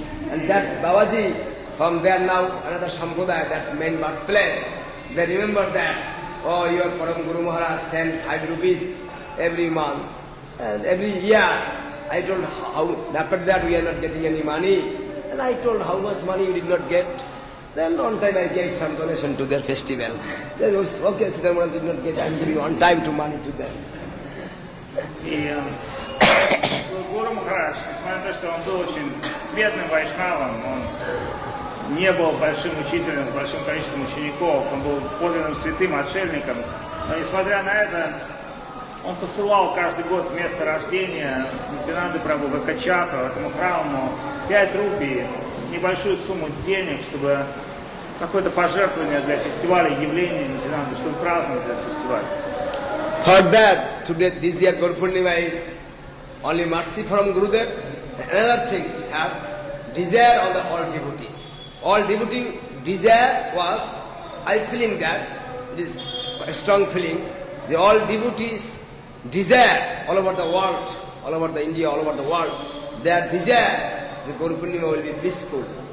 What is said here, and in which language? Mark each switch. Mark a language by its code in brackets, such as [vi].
[en] And that Babaji, from there now, another Sampradaya, that main birthplace, they remember that, oh, your Param Guru Maharaj sent 5 rupees every month. And every year, I told how, after that we are not getting any money. And I told how much money you did not get. Then one time I gave some donation to their festival. They said, okay, Siddhartha Maharaj did not get, I'm giving one time to money to them. [ru] So Guru Maharaj, несмотря на то, что он был очень бедным вайшнавом, он не был большим учителем, большим количеством учеников, он был подлинным святым отшельником, но несмотря на это, он посылал каждый год вместо рождения Нитинанды Прабху в Экачату, этому храму, 5 рупий, небольшую сумму денег, чтобы какое-то пожертвование для фестиваля, явления Нитинанды, чтобы праздновать этот фестиваль. [en] For that, today, this year, Guru Purnima is only mercy from Gurudev. And other things have desire of all devotees. All devotee desire was, I feeling that, it is a strong feeling, the all devotees desire all over the world, all over the India, all over the world, their desire, the Guru Purnima will be peaceful.